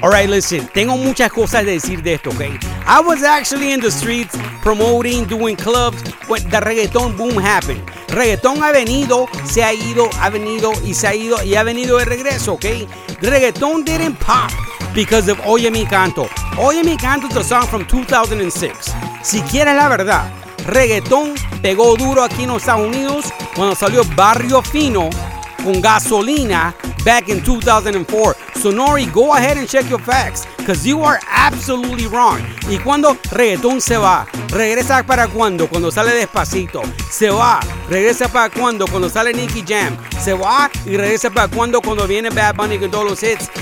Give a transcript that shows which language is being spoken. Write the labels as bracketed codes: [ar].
[en] All right, listen, [es] tengo muchas cosas de decir de esto, okay? [en] I was actually in the streets promoting, doing clubs when the reggaeton boom happened. [es] Reggaeton ha venido, se ha venido y se ha ido y ha venido de regreso, okay? [en] Reggaeton didn't pop because of Oye Mi Canto. Oye Mi Canto is a song from 2006. [es] Si quieres la verdad, reggaetón pegó duro aquí en los Estados Unidos cuando salió Barrio Fino con Gasolina [en] back in 2004. So Nori, go ahead and check your facts, because you are absolutely wrong. [es] Y cuando reggaetón se va, regresa para cuando, cuando sale Despacito. Se va, regresa para cuando, cuando sale Nicky Jam. Se va y regresa para cuando, cuando viene Bad Bunny con todos los hits.